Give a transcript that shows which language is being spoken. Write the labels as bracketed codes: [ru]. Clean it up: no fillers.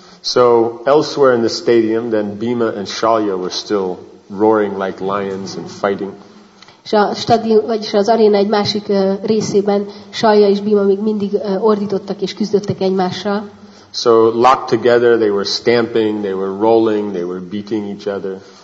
[en] So elsewhere in the stadium, then Bhima and Shalya were still roaring like lions and fighting. [hu] És a stadion, vagyis az aréna egy másik részében Shalya és Bhima még mindig ordítottak és küzdöttek egymással. [en] So locked together, they were stamping, they were rolling, they were beating each other.